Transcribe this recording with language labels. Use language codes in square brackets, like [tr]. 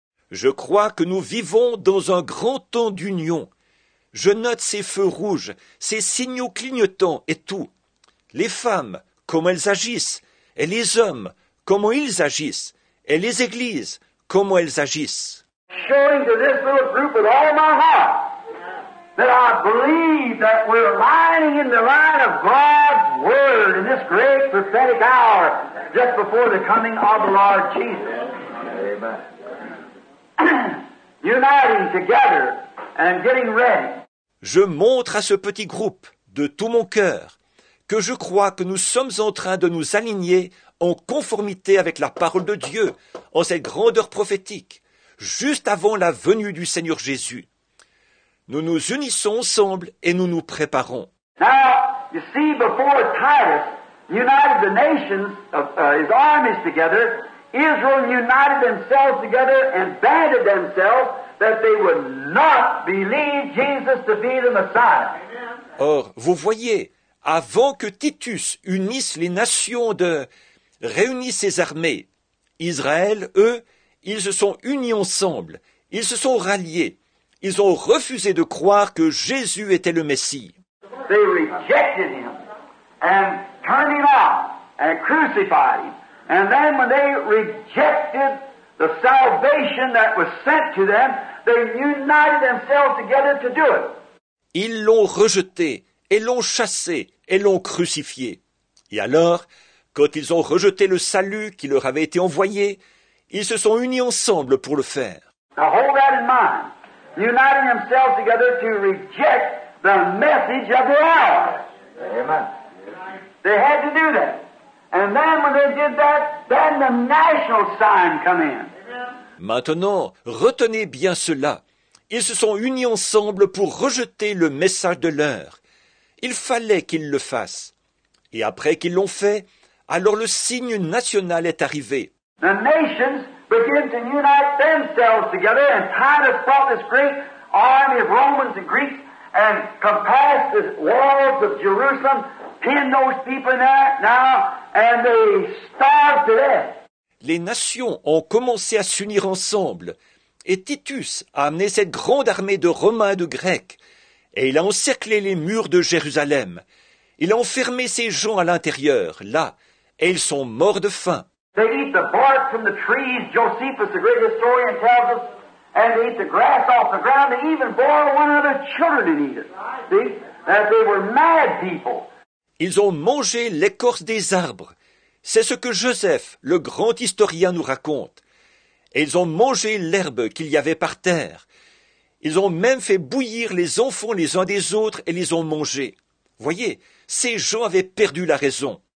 [fr] Je crois que nous vivons dans un grand temps d'union. Je note ces feux rouges, ces signaux clignotants et tout. Les femmes, comment elles agissent, et les hommes, comment ils agissent, et les églises, comment elles agissent. [en] Showing to this little group with all my heart that I believe that we're lining in the line of God's word in this great prophetic hour just before the coming of the Lord Jesus. Amen. Uniting together and getting ready. [fr] Je montre à ce petit groupe de tout mon cœur que je crois que nous sommes en train de nous aligner en conformité avec la parole de Dieu, en cette grandeur prophétique, juste avant la venue du Seigneur Jésus. Nous nous unissons ensemble et nous nous préparons. [en] Now, you see, before Titus united the nations of his armies together, Israel united themselves together and banded themselves that they would not believe Jesus to be the Messiah. [fr] Or, vous voyez, avant que Titus unisse les nations de réunit ses armées. Israël, eux, ils se sont unis ensemble. Ils se sont ralliés. Ils ont refusé de croire que Jésus était le Messie. [en] They rejected him and turned him off and crucified him. And then when they rejected the salvation that was sent to them, they united themselves together to do it. [fr] Ils l'ont rejeté et l'ont chassé et l'ont crucifié. Et alors, quand ils ont rejeté le salut qui leur avait été envoyé, ils se sont unis ensemble pour le faire. [en] Now hold that in mind. Uniting themselves together to reject the message of the hour. Amen. They had to do that. And then when they did that, then the national sign come in. [fr] Maintenant, retenez bien cela. Ils se sont unis ensemble pour rejeter le message de l'heure. Il fallait qu'ils le fassent. Et après qu'ils l'ont fait, alors le signe national est arrivé. [en] The nations begin to unite themselves together, and Titus brought this great army of Romans and Greeks and compassed the walls of Jerusalem, pinned those people in there now, and they starved to death. [fr] Les nations ont commencé à s'unir ensemble, et Titus a amené cette grande armée de Romains et de Grecs, et il a encerclé les murs de Jérusalem. Il a enfermé ces gens à l'intérieur, là, et ils sont morts de faim. [en] They eat the bark from the trees, Josephus, the great historian, tells us, and they eat the grass off the ground. They even boil one of their children and eat it. See? That they were mad people. [fr] Ils ont mangé l'écorce des arbres. C'est ce que Joseph, le grand historien, nous raconte. et ils ont mangé l'herbe qu'il y avait par terre. Ils ont même fait bouillir les enfants les uns des autres et les ont mangés. Voyez, ces gens avaient perdu la raison.